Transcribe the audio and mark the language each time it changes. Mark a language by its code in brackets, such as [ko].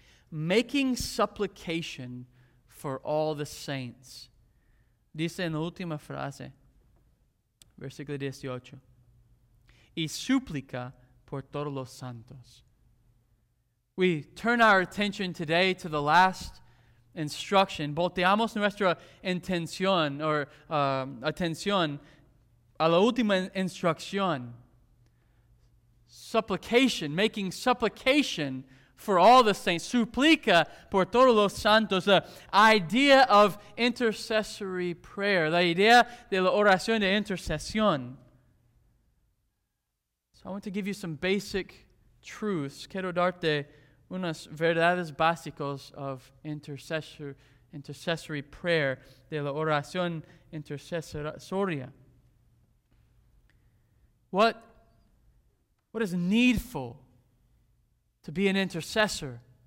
[en] Making supplication for all the saints. [es] Dice en la última frase, versículo 18. Y súplica por todos los santos. [en] We turn our attention today to the last instruction. [es] Volteamos nuestra intención or atención a la última instrucción. [en] Supplication, making supplication for all the saints, [es] suplica por todos los santos, [en] the idea of intercessory prayer, [es] la idea de la oración de intercesión. [en] So I want to give you some basic truths. [es] Quiero darte unas verdades básicas [en] of intercessory prayer, [es] de la oración intercesoria. [en] What is needful to be an intercessor?